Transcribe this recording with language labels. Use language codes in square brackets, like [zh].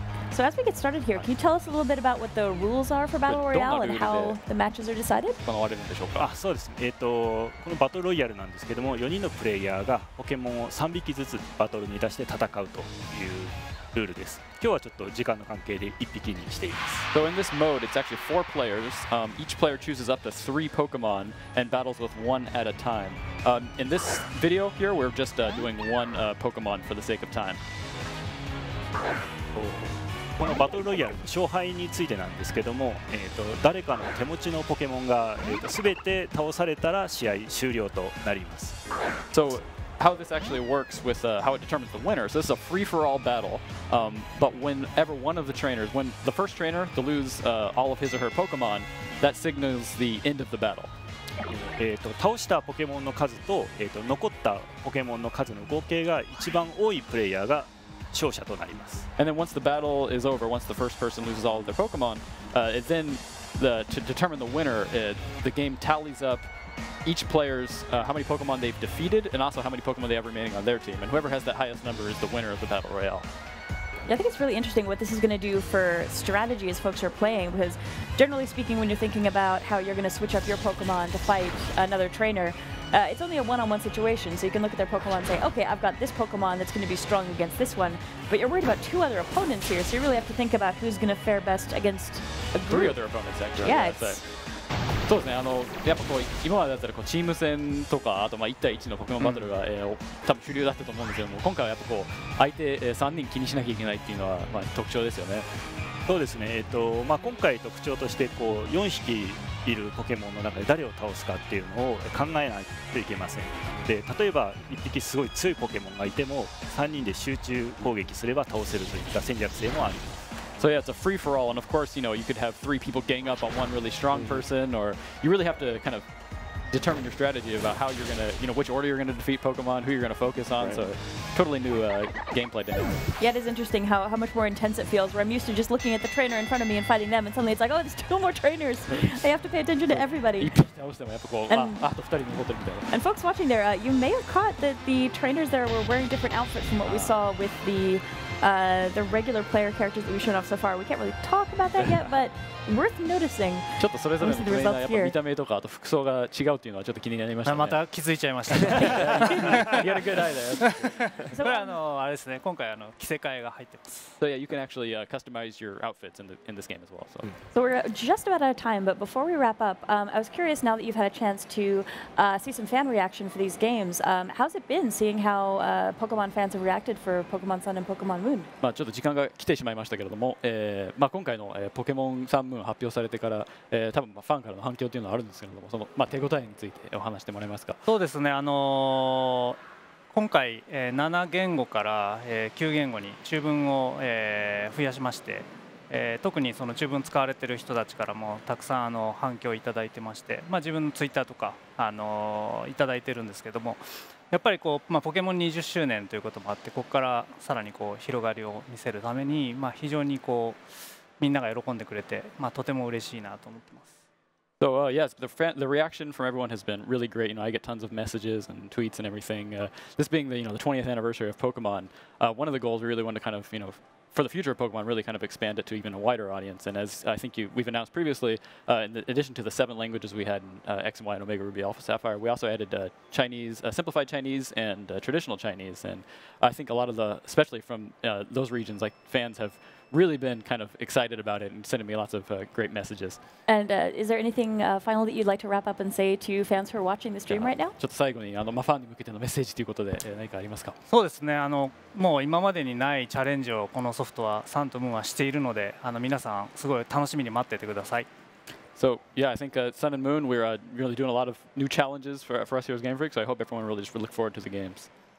[en] So as we get started here, can you tell us a little bit about what the rules are for Battle Royale and how the matches are decided? [ja] このワールドでしょうか。あ、そうですね。このバトルロイヤルなんですけども、4人のプレイヤーがポケモンを3匹ずつバトルに出して戦うというルールです。今日はちょっと時間の関係で1匹にしています。 [en] So in this mode, it's actually 4 players. Each player chooses up to 3 Pokemon and battles with one at a time. In this video here, we're just doing one Pokemon for the sake of time. [ja] このバトルロイヤルの勝敗についてなんですけども、誰かの手持ちのポケモンが、全て倒されたら試合終了となります。 [en] So, how this actually works with how it determines the winner. So, this is a free for all battle. But whenever one of the trainers, when the first trainer to lose all of his or her Pokemon, that signals the end of the battle. [ja] 倒したポケモンの数と、残ったポケモンの数の合計が一番多いプレイヤーが勝者となります。 [en] And then once the battle is over, once the first person loses all of their Pokemon, to determine the winner, the game tallies up each player's how many Pokemon they've defeated and also how many Pokemon they have remaining on their team. And whoever has that highest number is the winner of the Battle Royale. Yeah, I think it's really interesting what this is going to do for strategy as folks are playing, because generally speaking, when you're thinking about how you're going to switch up your Pokemon to fight another trainer, It's only a one-on-one situation, so you can look at their Pokemon and say, okay, I've got this Pokemon that's going to be strong against this one, but you're worried about two other opponents here, so you really have to think about who's going to fare best against a group. Three other opponents, actually. Yeah, it's... [ja] そうですね、あのやっぱこう今までだったらこうチーム戦とかあとまあ1対1のポケモンバトルが、うん多分主流だったと思うんですけども今回はやっぱこう相手、3人気にしなきゃいけないっていうのは、まあ、特徴ですよねそうですね、まあ、今回特徴としてこう4匹いるポケモンの中で誰を倒すかっていうのを考えないといけませんで例えば1匹すごい強いポケモンがいても3人で集中攻撃すれば倒せるといった戦略性もある [en] So yeah, it's a free-for-all, and of course, you know, you could have three people gang up on one really strong person, or you really have to kind of determine your strategy about how you're going to, you know, which order you're going to defeat Pokemon, who you're going to focus on, right. So totally new gameplay dynamic. Yeah, it is interesting how much more intense it feels, where I'm used to just looking at the trainer in front of me and fighting them, and suddenly it's like, oh, there's two more trainers. I have to pay attention to everybody. and folks watching there, you may have caught that the trainers there were wearing different outfits from what we saw with the regular player characters that we've shown off so far. We can't really talk about that yet, but worth noticing. [ja] ちょっとそれぞれのトレーナーやっぱ見た目とかあと服装が違うっていうのはちょっと気になりましたね。また気づいちゃいました [en] ね。You're a good eye there. [ja] これあれですね、今回着せ替えが入ってます。 [en] So yeah, you can actually customize your outfits in this game as well. So. So we're just about out of time, but before we wrap up, I was curious now that you've had a chance to see some fan reaction for these games, how's it been seeing how Pokemon fans have reacted for Pokemon Sun and Pokemon Moon? [ja] まあちょっと時間が来てしまいましたけれども、まあ今回の Pokemon Sun発表されてから、多分まあファンからの反響というのはあるんですけれどもその、まあ、手応えについてお話してもらえますかそうですね、今回、7言語から、9言語に中文を、増やしまして、特にその中文使われている人たちからもたくさん反響をいただいてまして、まあ、自分のツイッターとか、いただいてるんですけどもやっぱりこう、まあ、ポケモン20周年ということもあってここからさらにこう広がりを見せるために、まあ、非常にこうみんなが喜んでくれて、まあ、とても嬉しいなと思ってます。 [en] So, yes, the reaction from everyone has been really great. You know, I get tons of messages and tweets and everything. This being the, you know, the 20th anniversary of Pokemon, one of the goals we really want to kind of, you know, for the future of Pokemon, really kind of expand it to even a wider audience. And as I think we've announced previously, in addition to the 7 languages we had in X and Y and Omega Ruby Alpha Sapphire, we also added Chinese, simplified Chinese and traditional Chinese. And I think a lot of the, especially from those regions, like fans have really been kind of excited about it and sending me lots of great messages. And is there anything final that you'd like to wrap up and say to fans who are watching the stream right now? [ja] ちょっと最後にまあ、ファンに向けてのメッセージということで、何かありますか？そうですね。もう今までにないチャレンジをこのソフトはサンとムーンはしているので、皆さんすごい楽しみに待っててください。 [en] So yeah, I think Sun and Moon, we're really doing a lot of new challenges for us here as Game Freak. So I hope everyone really just look forward to the games.